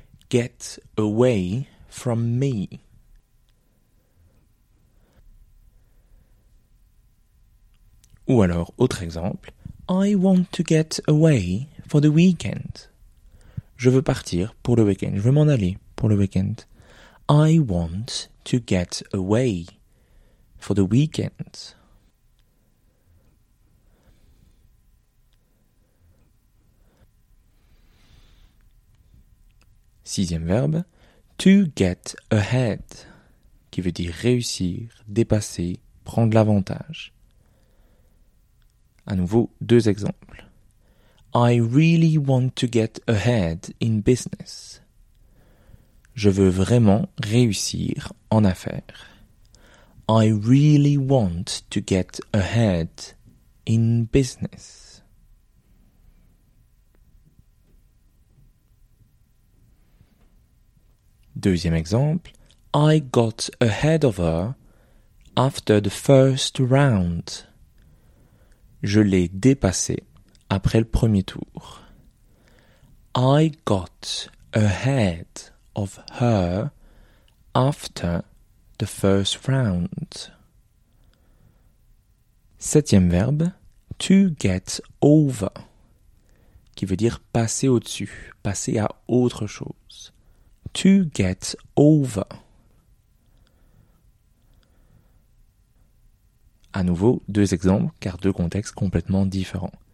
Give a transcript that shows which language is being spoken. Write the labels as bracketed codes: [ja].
[en] Get away from me. [fr] Ou alors, autre exemple, [en] I want to get away for the weekend. [fr] Je veux partir pour le week-end. Je veux m'en aller pour le week-end. [en] I want to get away for the weekend. [fr] Sixième verbe, [en] to get ahead, [fr] qui veut dire réussir, dépasser, prendre l'avantage. À nouveau, deux exemples. [en] I really want to get ahead in business. [fr] Je veux vraiment réussir en affaires. [en] I really want to get ahead in business. [fr] Deuxième exemple. [en] I got ahead of her after the first round. [fr] Je l'ai dépassé après le premier tour. [en] I got ahead of her after the first round. [fr] Septième verbe, [en] to get over, [fr] qui veut dire passer au-dessus, passer à autre chose. [en] To get over. [fr] À nouveau, deux exemples, car deux contextes complètement différents.